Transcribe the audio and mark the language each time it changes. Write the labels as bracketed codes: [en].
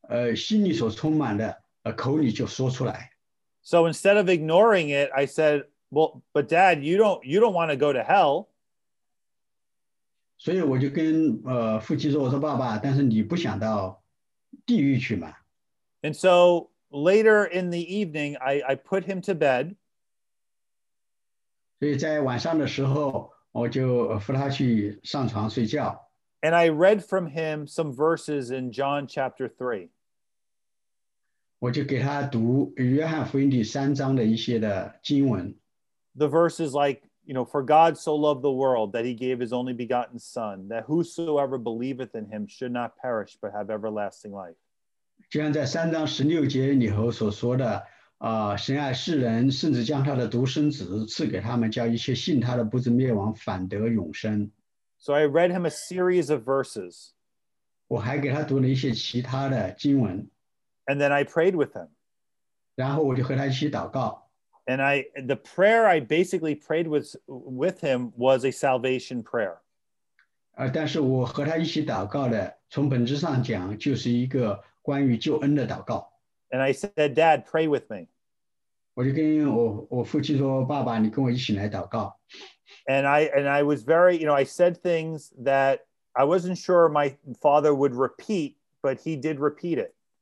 [zh] 因为我相信圣经所说的，心里所充满的，口里就说出来。 [en] So instead of ignoring it, I said, well, but Dad, you don't want to go to hell. [zh] 所以我就跟父亲说，我说爸爸，但是你不想到地狱去吗？ [en] And so later in the evening, I put him to bed. [zh] 所以在晚上的时候，我就扶他去上床睡觉。 [en] And I read from him some verses in John chapter 3. [zh] 我就给他读约翰福音第三章的一些的经文。 [en] The verses like, you know, for God so loved the world that he gave his only begotten son, that whosoever believeth in him should not perish but have everlasting life. [zh] 就像在3章16节里头所说的， 神爱世人，甚至将他的独生子赐给他们，叫一切信他的不至灭亡，反得永生。 [en] So I read him a series of verses. [zh] 我还给他读了一些其他的经文。 [en] And then I prayed with him. [zh] 然后我就和他一起祷告。 [en] And the prayer I basically prayed with him was a salvation prayer. [zh] 但是我和他一起祷告的，从本质上讲，就是一个关于救恩的祷告。 [en] And I said, Dad, pray with me. [zh] 我就跟我父亲说，爸爸，你跟我一起来祷告。 [en] And I was very, you know, I said things that I wasn't sure my father would repeat, but he did repeat it.